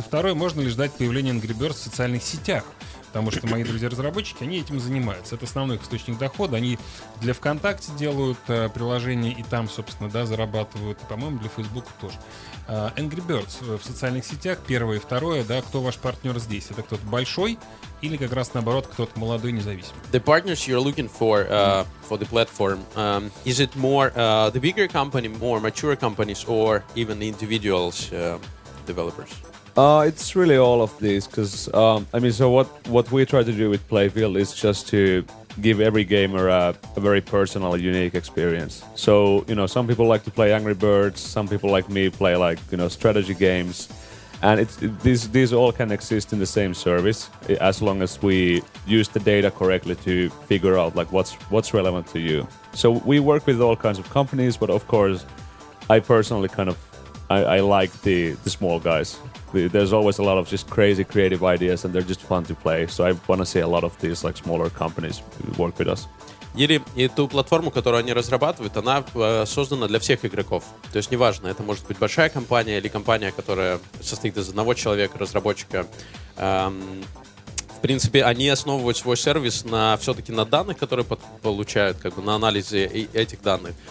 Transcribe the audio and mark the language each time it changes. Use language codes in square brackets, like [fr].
[ru] И второй, можно ли ждать появления Angry Birds в социальных сетях? Потому что мои друзья-разработчики, они этим занимаются. Это основной их источник дохода. Они для ВКонтакте делают приложения и там, собственно, да, зарабатывают. И, по-моему, для Фейсбука тоже. Angry Birds в социальных сетях, первое и второе, да, кто ваш партнер здесь? Это кто-то большой или как раз наоборот кто-то молодой, независимый? [en] The partners you're looking for the platform, is it more the bigger company, more mature companies or even individuals, developers? It's really all of these, because, I mean, so what we try to do with Playville is just to give every gamer a very personal, unique experience. So, you know, some people like to play Angry Birds, some people like me play, like, you know, strategy games, and these all can exist in the same service, as long as we use the data correctly to figure out, like, what's relevant to you. So we work with all kinds of companies, but of course, I personally kind of, I like the small guys. There's always a lot of just crazy creative ideas, and they're just fun to play. So I want to see a lot of these, like, smaller companies work with us. [ru] Или эту платформу, которую они разрабатывают, она создана для всех игроков. То есть неважно, это может быть большая компания или компания, которая состоит из одного человека, разработчика. В принципе, они основывают свой сервис на все-таки на данных, которые получают, как бы на анализе этих данных.